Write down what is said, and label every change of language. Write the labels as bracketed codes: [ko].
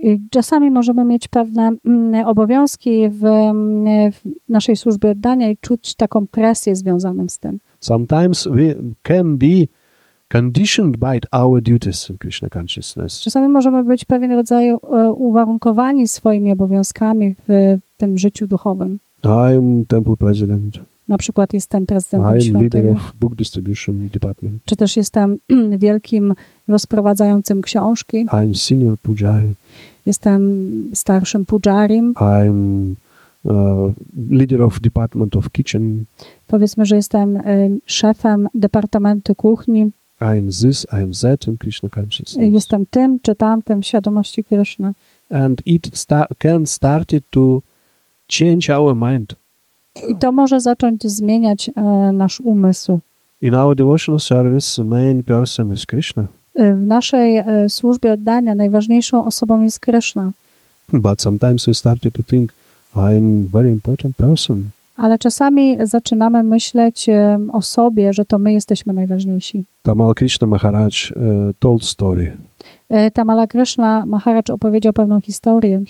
[pl] Czasami możemy mieć pewne obowiązki w naszej służbie oddania i czuć taką presję związaną z tym. [en] Sometimes we can be conditioned by our duties in Krishna consciousness. [pl] Czasami możemy być pewien rodzaj uwarunkowani swoimi obowiązkami w tym życiu duchowym. [en] I'm temple president. [pl] Na przykład jestem prezydentem świątyni. [en] I'm leader of book distribution department. [pl] Czy też jestem wielkim rozprowadzającym książki. [en] I'm senior pujari. [pl] Jestem starszym pujarim. [en] I'm leader of department of kitchen. [pl] Powiedzmy, że jestem szefem departamentu kuchni. [en] I'm this, I'm that in Krishna consciousness. [pl] Jestem tym czy tamtym w świadomości Krishna. [en] And it can start to change our mind. [pl] I to może zacząć zmieniać nasz umysł. [en] In our devotional service, main person is Krishna. [pl] W naszej służbie oddania najważniejszą osobą jest Krishna. [en] But sometimes we start to think, I'm very important person. [pl] Ale czasami zaczynamy myśleć o sobie, że to my jesteśmy najważniejsi. [en] Tamala Krishna Maharaj told story. [pl] Tamala Krishna Maharaj opowiedział pewną historię.